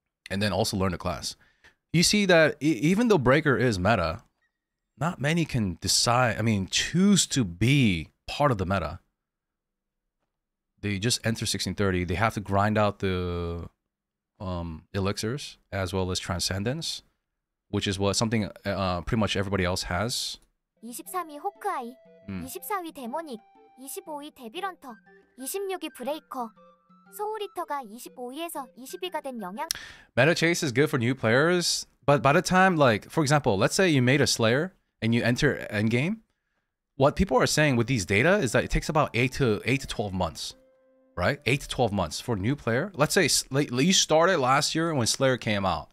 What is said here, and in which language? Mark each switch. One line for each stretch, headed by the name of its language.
English: And then also learn the class. You see that even though Breaker is meta, not many can decide, I mean, choose to be part of the meta. They just enter 1630. They have to grind out the elixirs as well as transcendence, which is what something pretty much everybody else has.
Korean: 23위 호크아이, 24위 데모닉, 25위 데빌헌터, 26위 브레이커. Soul-Eater가 25위에서 20위가 된 영향.
English: Meta chase is good for new players, but by the time, like, for example, let's say you made a Slayer, and you enter endgame, what people are saying with these data is that it takes about 8 to 12 months, right? 8 to 12 months for a new player. Let's say you started last year when Slayer came out.